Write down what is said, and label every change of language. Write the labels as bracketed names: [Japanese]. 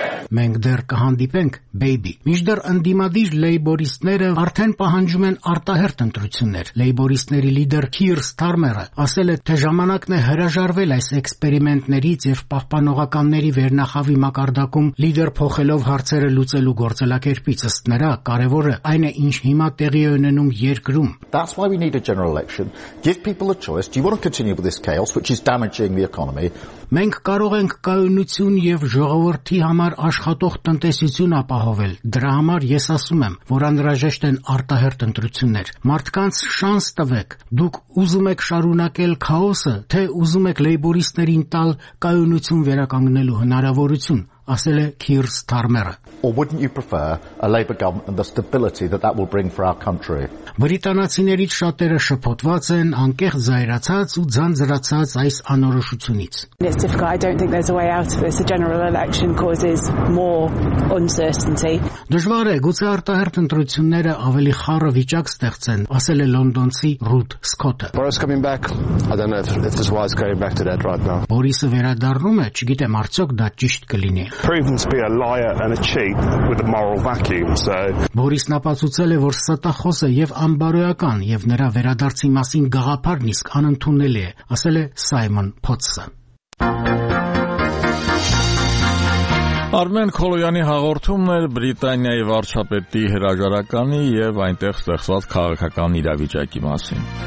[Armenian] Մենք դեռ կհանդիպենք, baby. Միջդեռ ընդդիմադիր լեյբորիստները արդեն պահանջում են արտահերտ ընտրություններ։ Լեյբորիստների լիդեր Քիր Ստարմերը ասել է, թե ժամանակն է հրաժարվել այս էքսպերիմենտներից եւ պահպանողականների վերնախավի մակարդակում լիդեր փոխելով հարցերը լուծելու գործելակերպից, ըստ նրա, կարևորը այն է, ինչ հիմա տեղի ունենում երկրում։ [English] That's why we need a general election. Give people a choice. Do you want to continue with this chaos which is damaging the economy? [Armenian] Մենք կարող ենք կայունություն եւ ժողովրդի համար աշխատող տնտեսություն ապահովել։ Դրա համար ես ասում եմ, որ անհրաժեշտ են արտահերտ ընտրություններ։ Մարդկանց շանս տվեք։ Դուք ուզում եք շարունակել քաոսը, թե ուզում եք լեյբորիստերին տալ կայունություն վերականգնելու հնարավորություն, ասել է Քիր Ստարմերը։ [English] Or wouldn't you prefer a Labour government and the stability that that will bring for our country? [Armenian] Բրիտանացիներից շատերը շփոթված են, անկեղծ զայրացած ու ձանձրացած այս անորոշությունից։ [English] I don't think there's a way out of this. A general election causes more uncertainty. [Armenian] Դժվար է, գուցե արտահերտ ընտրությունները ավելի խառը վիճակ ստեղծեն, ասել է Լոնդոնցի Ruth Scott-ը։ [English] Boris coming back. I don't know if this wise going back to that right now. [Armenian] Boris-ը վերադառնում է, չգիտեմ արդյոք դա ճիշտ կլինի։ [English] Proven to be a liar and a with a moral vacuum, so [Armenian] Borisն ապացուցել է, որ ստախոսը եւ անբարոյական եւ նրա վերադարձի մասին գաղափարն իսկ անընդունելի է, ասել է Սայմոն Փոցը։ Արմեն Քոլոյանի հաղորդումն էր Բրիտանիայի վարչապետի հրաժարականի եւ այնտեղ ստեղծված քաղաքական իրավիճակի մասին։